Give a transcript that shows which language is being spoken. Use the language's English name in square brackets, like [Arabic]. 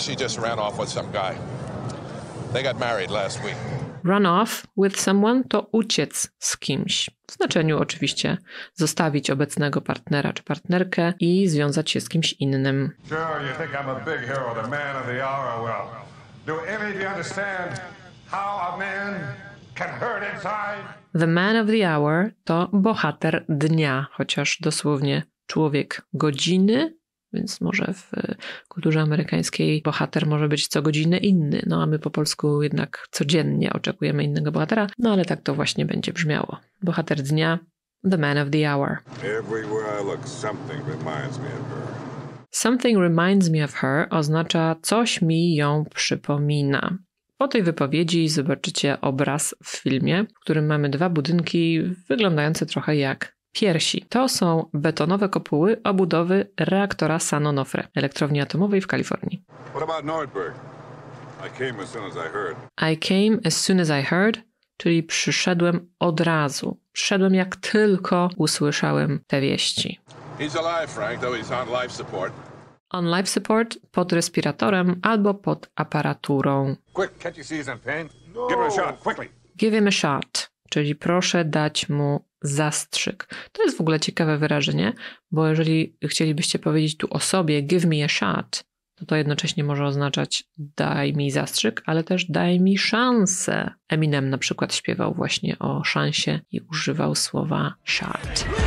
[English] She just ran off with some guy. They got married last week. Run off with someone [Polish] to uciec z kimś. W znaczeniu oczywiście zostawić obecnego partnera czy partnerkę i związać się z kimś innym. [English] Sure, you think I'm a big hero, the man of the hour. Well, do any of you understand how a man can hurt inside? The man of the hour [Polish] to bohater dnia, chociaż dosłownie człowiek godziny, więc może w kulturze amerykańskiej bohater może być co godzinę inny, no a my po polsku jednak codziennie oczekujemy innego bohatera, no ale tak to właśnie będzie brzmiało. Bohater dnia, [English] the man of the hour. Everywhere I look, something reminds me of her. Something reminds me of her [Polish] oznacza coś mi ją przypomina. Po tej wypowiedzi zobaczycie obraz w filmie, w którym mamy dwa budynki wyglądające trochę jak piersi. To są betonowe kopuły obudowy reaktora San Onofre, elektrowni atomowej w Kalifornii. [English] What about Nordberg? I came as soon as I heard. I came as soon as I heard, [Polish] czyli przyszedłem od razu. Przyszedłem jak tylko usłyszałem te wieści. [English] He's alive, Frank, though he's on life support. On life support, [Polish] pod respiratorem albo pod aparaturą. [English] Quick, can't you see he's in pain? No. Give him a shot, quickly. Give him a shot, [Polish] czyli proszę dać mu zastrzyk. To jest w ogóle ciekawe wyrażenie, bo jeżeli chcielibyście powiedzieć tu o sobie [English] give me a shot, [Polish] to to jednocześnie może oznaczać daj mi zastrzyk, ale też daj mi szansę. Eminem na przykład śpiewał właśnie o szansie i używał słowa shot.